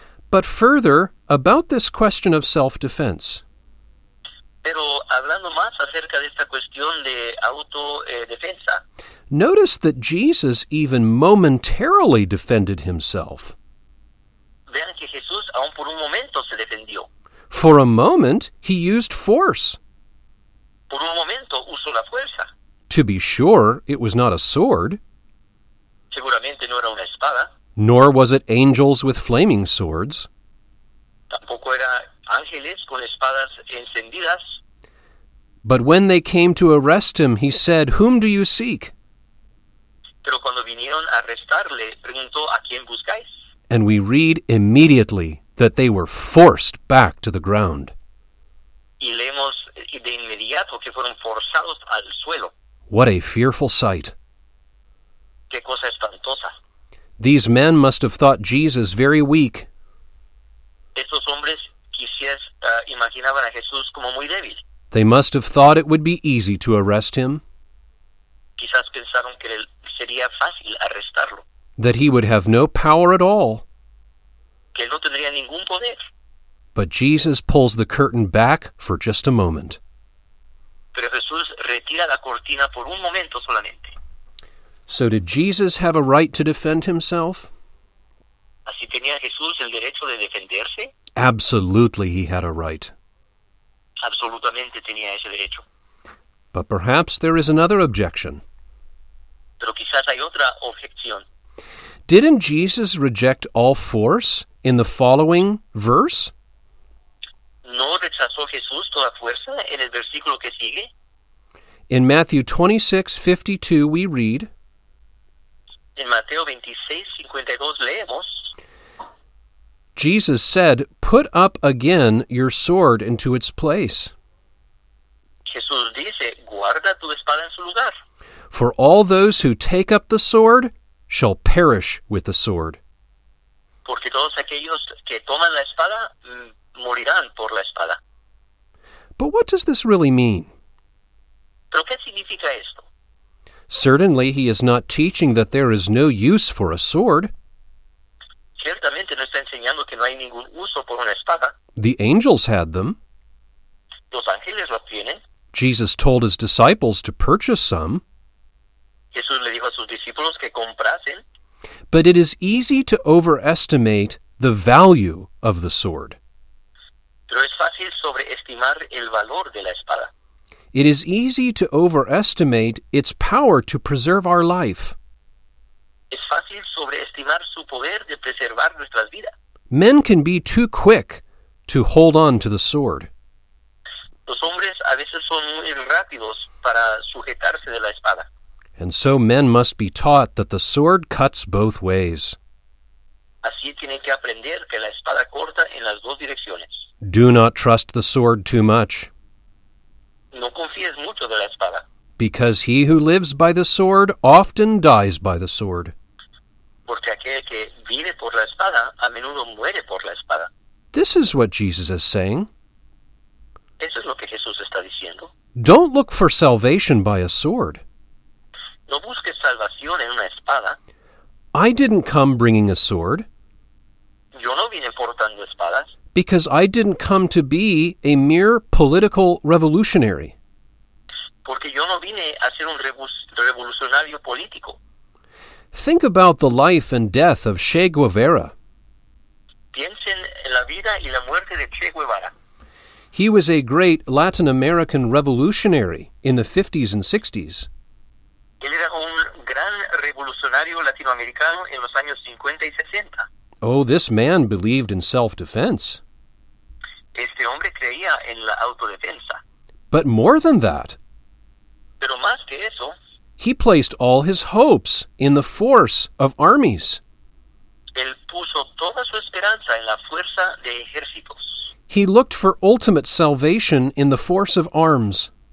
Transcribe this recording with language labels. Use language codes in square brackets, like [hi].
[en] But further, about this question of self-defense. [es] Pero hablando más acerca de esta cuestión de autodefensa. [en] Notice that Jesus even momentarily defended himself. [es] Vean que Jesús aún por un momento se defendió. [en] For a moment, he used force. [es] Por un momento, usó la fuerza. [en] To be sure, it was not a sword. [es] Seguramente no era una espada. [en] Nor was it angels with flaming swords. [es] Tampoco era ángeles con espadas encendidas. [en] But when they came to arrest him, he said, "Whom do you seek?" [es] Pero cuando vinieron a arrestarle, preguntó, "¿A quién buscáis?" [en] And we read immediately that they were forced back to the ground. [es] Y leemos de inmediato que fueron forzados al suelo. [en] What a fearful sight. [es] Qué cosa espantosa. [en] These men must have thought Jesus very weak. [es] Estos hombres quizás imaginaban a Jesús como muy débil. [en] They must have thought it would be easy to arrest him. [es] Quizás pensaron que sería fácil arrestarlo. [en] That he would have no power at all. [es] Que no tendría ningún poder. [en] But Jesus pulls the curtain back for just a moment. [es] Pero Jesús retira la cortina por un momento solamente. [en] So did Jesus have a right to defend himself? [es] ¿Así tenía Jesús el derecho de defenderse? [en] Absolutely he had a right. [es] Absolutamente tenía ese derecho. [en] But perhaps there is another objection. [es] Pero quizás hay otra objeción. [en] Didn't Jesus reject all force in the following verse? [es] ¿No rechazó Jesús toda fuerza en el versículo que sigue? [en] In Matthew 26:52 we read, [es] en Mateo 26:52 leemos, [en] Jesus said, "Put up again your sword into its place." [es] Jesús dice, "Guarda tu espada en su lugar." [en] For all those who take up the sword shall perish with the sword. [es] Porque todos aquellos que toman la espada morirán por la espada. [en] But what does this really mean? [es] ¿Pero qué significa esto? [en] Certainly he is not teaching that there is no use for a sword. [es] Ciertamente no está enseñando que no hay ningún uso por una espada. [en] The angels had them. [es] Los ángeles los tienen. [en] Jesus told his disciples to purchase some. [es] Jesús le dijo a sus discípulos que comprasen. [en] But it is easy to overestimate the value of the sword. [es] Pero es fácil sobreestimar el valor de la espada. [en] It is easy to overestimate its power to preserve our life. [es] Es fácil sobreestimar su poder de preservar nuestras vidas. [en] Men can be too quick to hold on to the sword. [es] Los hombres a veces son muy rápidos para sujetarse de la espada. [en] And so men must be taught that the sword cuts both ways. [es] Así tienen que aprender que la espada corta en las dos direcciones. [en] Do not trust the sword too much. [es] No confíes mucho de la espada. [en] Because he who lives by the sword often dies by the sword. [es] Porque aquel que vive por la espada a menudo muere por la espada. [en] This is what Jesus is saying. [es] Eso es lo que Jesús está diciendo. [en] Don't look for salvation by a sword. [es] No busques salvación en una espada. [en] I didn't come bringing a sword. [es] Yo no vine portando espadas. [en] Because I didn't come to be a mere political revolutionary. [es] Porque yo no vine a ser un revolucionario político. [en] Think about the life and death of Che Guevara. [es] Piensen en la vida y la muerte de Che Guevara. [en] He was a great Latin American revolutionary in the 50s and 60s. [es] Él era un gran revolucionario latinoamericano en los años 50 y 60. [en] Oh, this man believed in self-defense. [es] Este hombre creía en la autodefensa. [en] But more than that, [es] pero más que eso, [en] he placed all his hopes in the force of armies. [es] Él puso toda su esperanza en la fuerza de ejércitos. [en] He looked for ultimate salvation in the force of arms.